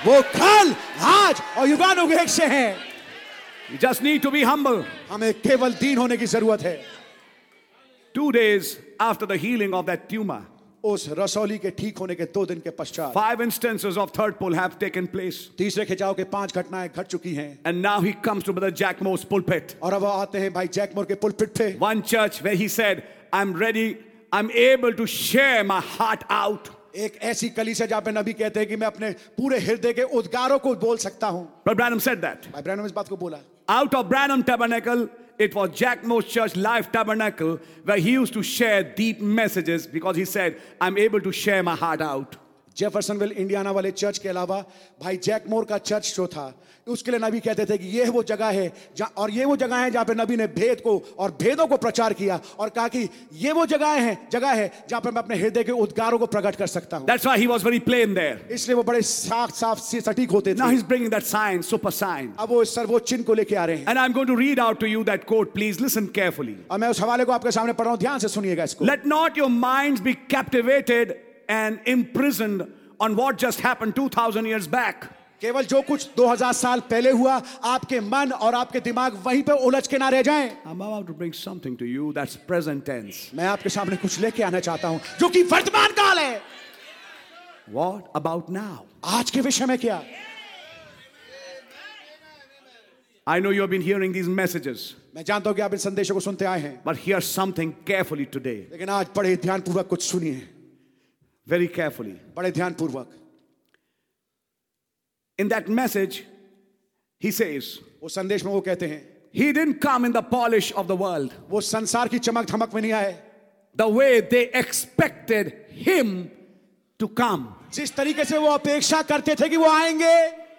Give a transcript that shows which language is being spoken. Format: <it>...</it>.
<hi>वो कल आज और युगानुगेक से है.</hi> <en>You just need to be humble.</en> <hi>हमें केवल दीन होने की जरूरत है.</hi> <en>2 days after the healing of that tumour.</en> <hi>उस रसौली के ठीक होने के 2 दिन के पश्चात</hi> <en>5 instances of third pull have taken place.</en> <hi>तीसरे खिंचाव के 5 घटनाएं घट चुकी हैं.</hi> <en>And now he comes to brother Jack Moore's pulpit.</en> <hi>और अब आते हैं भाई जैक मोर के पुलपिट पे.</hi> <en>One church where he said, I'm ready, I'm able to share my heart out.</en> <hi>एक ऐसी कलीसिया जहां पे नबी कहते हैं कि मैं अपने पूरे हृदय के उद्गारों को बोल सकता हूं.</hi> <en>Brother Branham said that.</en> <hi>भाई ब्रैनम इस बात को बोला.</hi> <en>Out of Branham Tabernacle. It was Jack Moore's church, Life Tabernacle, where he used to share deep messages because he said, I'm able to share my heart out.</en> <hi>Jeffersonville, Indiana वाले church के अलावा, भाई Jack Moore का church जो था, उसके लिए नबी कहते थे कि ये वो जगह है, और ये वो जगह है जहाँ पे नबी ने भेद को और भेदों को प्रचार किया, और कहा कि ये वो जगह है जहाँ पे मैं अपने हृदय के उद्गारों को प्रकट कर सकता हूँ.</hi> <en>That's why he was very plain there.</en> <hi>इसलिए वो बड़े साफ साफ सटीक होते थे.</hi> <en>Now he's bringing that sign, super sign.</en> <hi>अब वो इस सर्वोच्चिन को लेके आ रहे हैं.</hi> <en>And I'm going to read out to you that quote. Please listen carefully.</en> <hi>और मैं उस हवाले को आपके सामने पढ़ रहा हूँ, ध्यान से सुनिएगा इसको.</hi> <en>Let not your minds be captivated and imprisoned on what just happened 2000 years back.</en> <hi>केवल जो कुछ 2000 साल पहले हुआ, आपके मन और आपके दिमाग वहीं पे उलझ के ना रह जाएं.</hi> <en>I'm about to bring something to you that's present tense.</en> <hi>मैं आपके सामने कुछ लेके आना चाहता हूं जो कि वर्तमान काल है.</hi> <en>What about now?</en> <hi>आज के विषय में क्या?</hi> <en>I know you have been hearing these messages.</en> <hi>मैं जानता हूं कि आप इन संदेशों को सुनते आए हैं.</hi> <en>But hear something carefully today.</en> <hi>लेकिन आज बड़े ध्यानपूर्वक कुछ सुनिए.</hi> <en>Very carefully.</en> <hi>बड़े ध्यानपूर्वक.</hi> <en>In that message, he says,</en> <hi>वो संदेश में वो कहते हैं,</hi> <en>he didn't come in the polish of the world.</en> <hi>वो संसार की चमक धमक में नहीं आए.</hi> <en>The way they expected him to come.</en> <hi>जिस तरीके से वो अपेक्षा करते थे कि वो आएंगे.</hi>